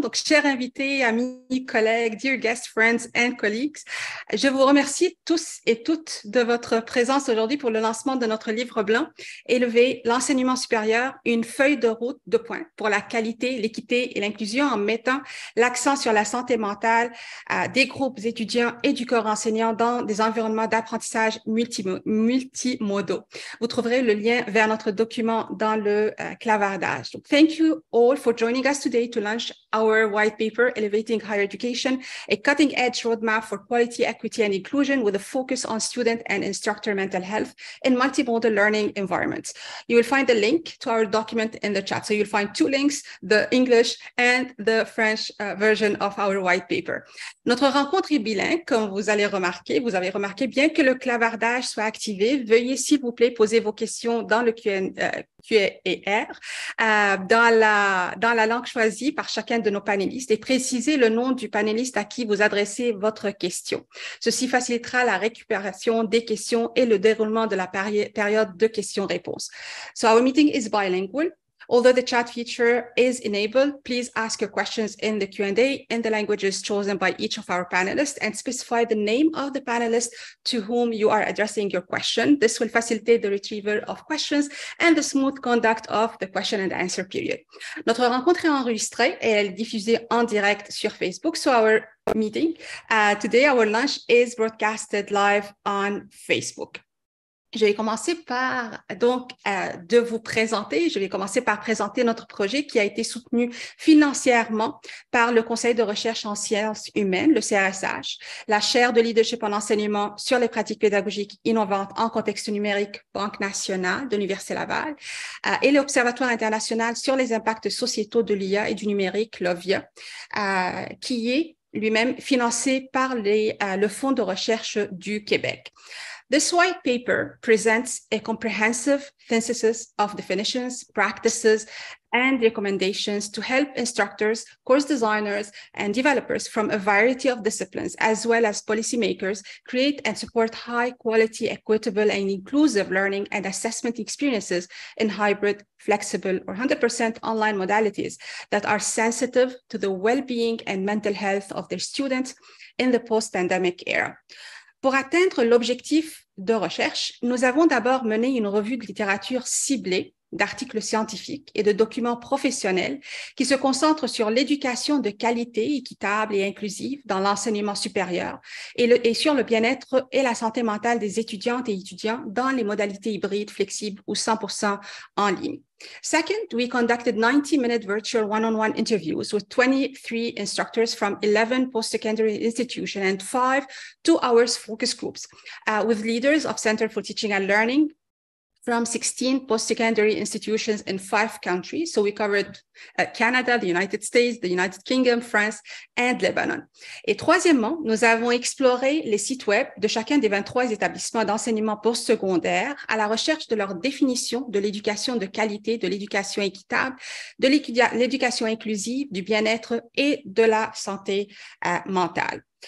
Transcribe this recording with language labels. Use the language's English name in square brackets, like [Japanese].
[French] Donc, chers invités, amis, collègues, [English] dear guests, friends and colleagues, [French] je vous remercie tous et toutes de votre présence aujourd'hui pour le lancement de notre livre blanc, Élever l'enseignement supérieur, une feuille de route de pointe pour la qualité, l'équité et l'inclusion en mettant l'accent sur la santé mentale des groupes étudiants et du corps enseignant dans des environnements d'apprentissage multimodaux. Vous trouverez le lien vers notre document dans le clavardage. [English] So thank you all for joining us today to launch our white paper, Elevating Higher Education, a cutting-edge roadmap for quality, equity, and inclusion with a focus on student and instructor mental health in multimodal learning environments. You will find the link to our document in the chat. So you'll find two links, the English and the French version of our white paper. [French] Notre rencontre est bilingue, comme vous allez remarquer. Vous avez remarqué, bien que le clavardage soit activé, veuillez s'il vous plaît poser vos questions dans le Q&A dans la langue choisie par chacun de nos panélistes et préciser le nom du panéliste à qui vous adressez votre question. Ceci facilitera la récupération des questions et le déroulement de la période de questions-réponses. [English] So our meeting is bilingual. Although the chat feature is enabled, please ask your questions in the Q&A in the languages chosen by each of our panelists and specify the name of the panelist to whom you are addressing your question. This will facilitate the retrieval of questions and the smooth conduct of the question and answer period. [French] Notre rencontre est enregistrée et elle est diffusée en direct sur Facebook. [English] So our meeting today, our lunch is broadcasted live on Facebook. [French] Je vais commencer par présenter notre projet qui a été soutenu financièrement par le Conseil de recherche en sciences humaines, le CRSH, la Chaire de leadership en enseignement sur les pratiques pédagogiques innovantes en contexte numérique Banque Nationale de l'Université Laval et l'Observatoire international sur les impacts sociétaux de l'IA et du numérique, l'OVIA, qui est lui-même financé par le Fonds de recherche du Québec. [English] This white paper presents a comprehensive synthesis of definitions, practices, and recommendations to help instructors, course designers, and developers from a variety of disciplines, as well as policymakers, create and support high-quality, equitable, and inclusive learning and assessment experiences in hybrid, flexible, or 100% online modalities that are sensitive to the well-being and mental health of their students in the post-pandemic era. [French] Pour atteindre l'objectif de recherche, nous avons d'abord mené une revue de littérature ciblée d'articles scientifiques et de documents professionnels qui se concentrent sur l'éducation de qualité équitable et inclusive dans l'enseignement supérieur et sur le bien-être et la santé mentale des étudiantes et étudiants dans les modalités hybrides, flexibles ou 100% en ligne. [English] Second, we conducted 90-minute virtual one-on-one interviews with 23 instructors from 11 post-secondary institutions and 5 two-hour focus groups with leaders of Center for Teaching and Learning from 16 post-secondary institutions in 5 countries. So we covered Canada, the United States, the United Kingdom, France, and Lebanon. [French] Et troisièmement, nous avons exploré les sites web de chacun des 23 établissements d'enseignement postsecondaire à la recherche de leur définition de l'éducation de qualité, de l'éducation équitable, de l'éducation inclusive, du bien-être et de la santé mentale.